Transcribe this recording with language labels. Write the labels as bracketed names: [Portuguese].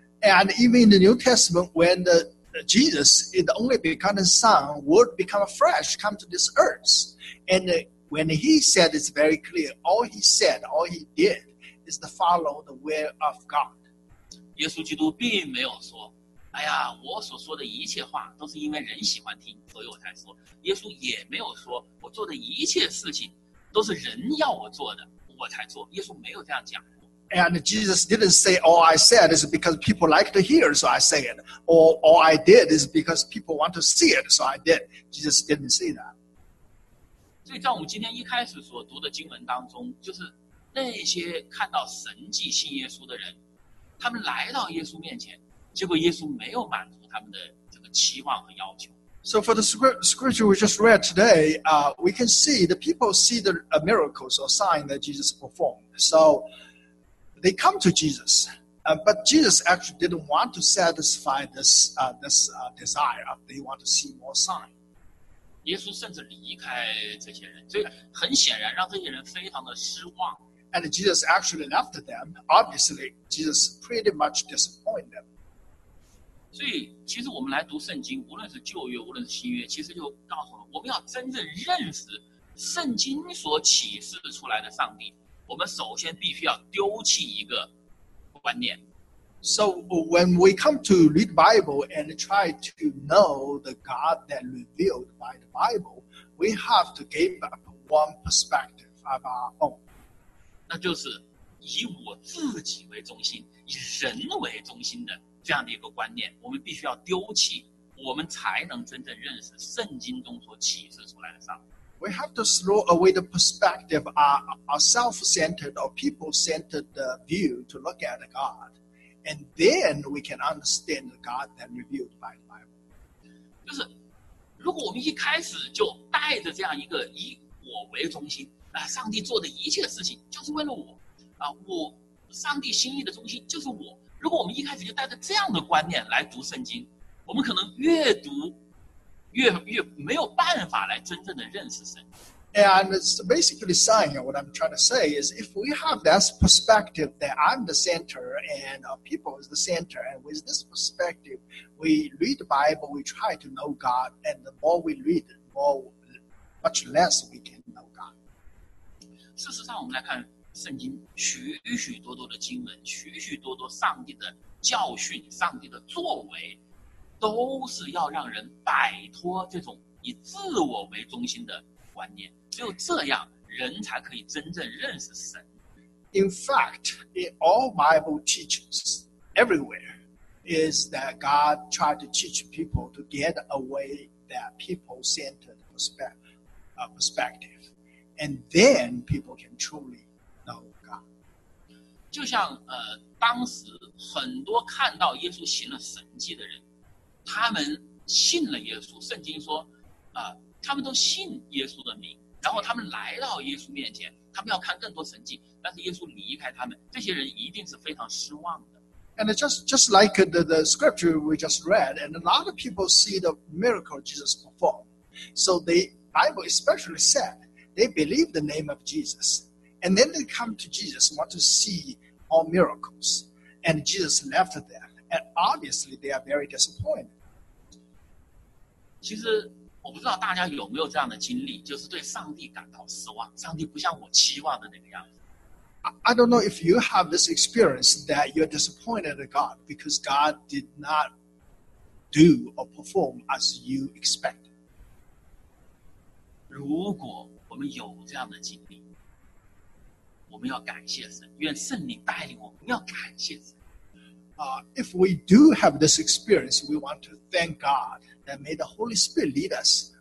[English] And even in the New Testament when the Jesus the only begotten son would become flesh come to this earth and when he said it's very clear all he said all he did is to follow the will of God. [Chinese] 耶稣基督并没有说哎呀，我所说的一切话都是因为人喜欢听，所以我才说。耶稣也没有说我做的一切事情都是人要我做的，我才做。耶稣没有这样讲过。 [English] And Jesus didn't say all I said is because people like to hear, so I say it. Or all I did is because people want to see it, so I did. Jesus didn't say that. [Chinese] 所以在我们今天一开始所读的经文当中，就是那些看到神迹信耶稣的人，他们来到耶稣面前。结果耶稣没有满足他们的这个期望和要求。 [English] So for the scripture we just read today, we can see the people see the miracles or sign that Jesus performed. So they come to Jesus, but Jesus actually didn't want to satisfy this desire. They want to see more sign. [Chinese] 耶稣甚至离开这些人，所以很显然让这些人非常的失望。 [English] And Jesus actually left them. Obviously, Jesus pretty much disappointed them. [Chinese] 所以其实我们来读圣经无论是旧约无论是新约其实就告诉我们我们要真正认识圣经所启示出来的上帝我们首先必须要丢弃一个观念 [English] So when we come to read Bible and try to know the God that revealed by the Bible we have to give up one perspective of our own [Chinese] 那就是以我自己为中心以人为中心的这样的一个观念我们必须要丢弃我们才能真正认识圣经中所启示出来的上帝 [English] We have to throw away the perspective our self-centered or people-centered view to look at God and then we can understand the God that revealed by the Bible [Chinese] 就是如果我们一开始就带着这样一个以我为中心上帝做的一切事情就是为了我我上帝心意的中心就是我如果我们一开始就带着这样的观念来读圣经，我们可能越读越没有办法来真正的认识神。 [English] And it's basically saying what I'm trying to say is if we have that perspective that I'm the center and our people is the center, and with this perspective, we read the Bible, we try to know God, and the more we read, the more much less we can know God. [Chinese] 事实上，我们来看。圣经许许多多的经文许许多多上帝的教训上帝的作为都是要让人摆脱这种以自我为中心的观念只有这样人才可以真正认识神 [English] In fact, in all Bible teachings everywhere is that God tried to teach people to get away that people-centered perspective and then people can truly [Chinese] 就像当时很多看到耶稣行了神迹的人他们信了耶稣圣经说他们都信耶稣的名然后他们来到耶稣面前他们要看更多神迹但是耶稣离开他们这些人一定是非常失望的 [English] And just like the scripture we just read and a lot of people see the miracle Jesus performed so the Bible especially said they believe the name of JesusAnd then they come to Jesus and want to see all miracles. And Jesus left them. And obviously, they are very disappointed. [Chinese] 其实我不知道大家有没有这样的经历，就是对上帝感到失望。上帝不像我期望的那个样子。 [English] I don't know if you have this experience that you're disappointed at God because God did not do or perform as you expected. [Chinese] 如果我们有这样的经历，我们要感谢神，愿圣灵带领我们，要感谢神。 [English] If we do have this experience, we want to thank God that may the Holy Spirit lead us.